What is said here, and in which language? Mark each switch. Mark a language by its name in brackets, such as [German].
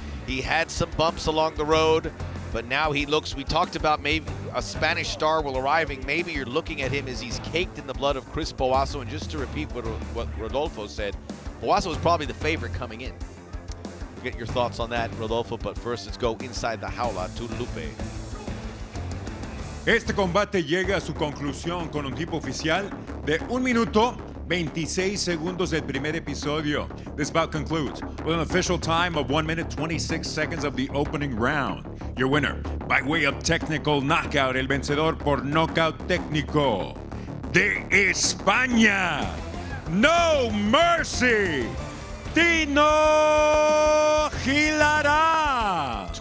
[English] He had some bumps along the road, but now he looks, we talked about maybe a Spanish star will arriving. Maybe you're looking at him as he's caked in the blood of Chris Boasso. And just to repeat what Rodolfo said, Boasso was probably the favorite coming in. We'll get your thoughts on that, Rodolfo, but first let's go inside the jaula to Lupe. [Spanish] Este combate llega a su conclusión con un tiempo oficial de 1 minuto 26 segundos del primer episodio. [English] This bout concludes with an official time of 1 minute 26 seconds of the opening round. Your winner, by way of technical knockout, [Spanish] el vencedor por knockout técnico de España, [English] No Mercy, Tino Gilaranz.